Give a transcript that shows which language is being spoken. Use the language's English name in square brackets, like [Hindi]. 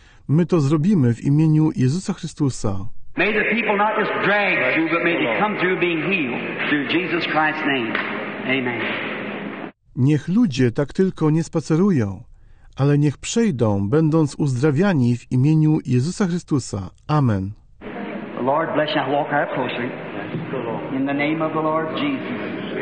[Polish] My to zrobimy w imieniu Jezusa Chrystusa. [English] May the people not just drag you, but may they come through being healed through Jesus Christ's name. Amen. [Polish] Niech ludzie tak tylko nie spacerują, ale niech przejdą, będąc uzdrawiani w imieniu Jezusa Chrystusa. Amen. [English] The Lord bless you. I walk out closely. In the name of the Lord Jesus.